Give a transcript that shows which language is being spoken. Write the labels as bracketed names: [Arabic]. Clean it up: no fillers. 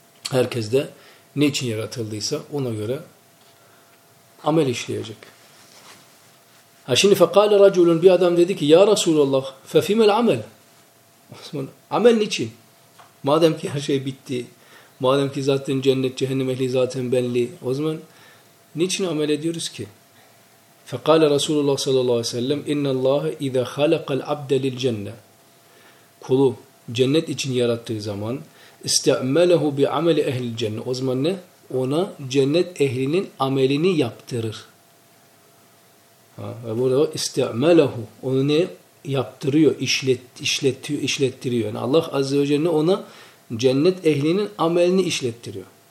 [Turkish] Herkes de ne için yaratıldıysa ona göre amel işleyecek. Ha şimdi [Arabic] fekale raculun [Turkish] bir adam dedi ki ya Resulullah fefimel amel. Amel niçin? Madem ki her şey bitti. Madem ki zaten cennet cehennem ehli zaten belli. O zaman niçin amel ediyoruz ki? [Arabic] فَقَالَ رَسُولُ اللّٰهِ صَلَى اللّٰهِ سَلَّمْ اِنَّ اللّٰهَ اِذَا خَلَقَ الْعَبْدَ لِلْجَنَّةِ [Turkish] Kulu cennet için yarattığı zaman [Arabic] اِسْتَعْمَلَهُ بِعَمَلِ اَهْلِ الْجَنَّةِ [Turkish] O zaman ne? Ona cennet ehlinin amelini yaptırır. Ha, ve burada [Arabic] اِسْتَعْمَلَهُ [Turkish] Onu ne? Yaptırıyor, işlettiriyor. Yani Allah Azze ve Celle ona cennet ehlinin amelini işlettiriyor.